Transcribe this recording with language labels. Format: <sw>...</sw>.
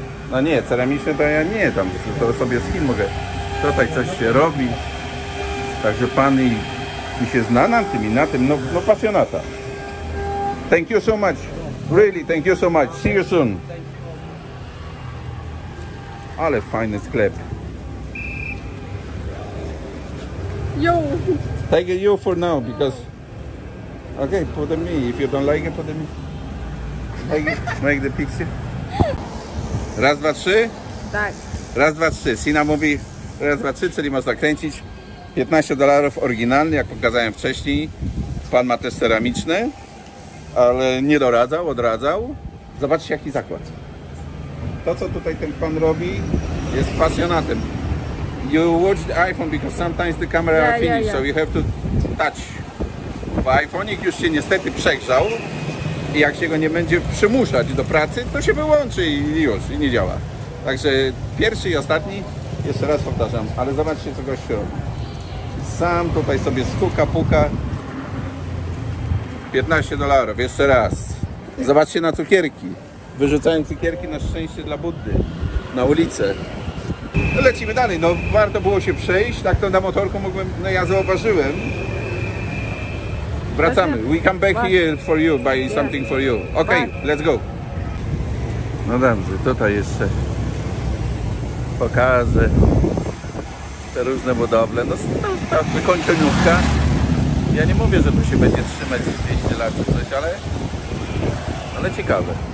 <pl>no nie, ceramiczne to ja nie, tam to sobie z kim mogę. Tutaj coś się robi. Także pan i się zna na tym i na tym, no, no pasjonata.</pl> <en>Thank you so much. Really, thank you so much. See you soon.</en> <pl>Ale fajny sklep.</pl> <en>Yo. Take you for now, because... Okay, put on me. If you don't like it, put on me. Make the pixie.</en> <pl>Raz, dwa, trzy? Tak. Raz, dwa, trzy. Sina mówi raz, dwa, trzy, czyli można kręcić. $15 oryginalny, jak pokazałem wcześniej. Pan ma też ceramiczne, ale nie doradzał, odradzał. Zobaczcie, jaki zakład. To, co tutaj ten pan robi, jest pasjonatem.</pl> <en>You watch the iPhone, because sometimes the camera are finished, so you have to touch.</en> <pl>Bo iPhone'ik już się niestety przegrzał i jak się go nie będzie przymuszać do pracy, to się wyłączy i już, i nie działa. Także pierwszy i ostatni, jeszcze raz powtarzam, ale zobaczcie, co gość robi. Sam tutaj sobie stuka, puka. $15, jeszcze raz. Zobaczcie na cukierki. Wyrzucałem cukierki na szczęście dla Buddy. Na ulicę. No lecimy dalej, no warto było się przejść. Tak to na motorku mogłem, no ja zauważyłem. Wracamy.</pl> <en>We come back here for you, buy something for you. Ok, let's go.</en> <pl>No dobrze, tutaj jeszcze pokażę. Te różne budowle, no ta wykończeniówka. Ja nie mówię, że tu się będzie trzymać 200 lat czy coś, ale ciekawe.</pl>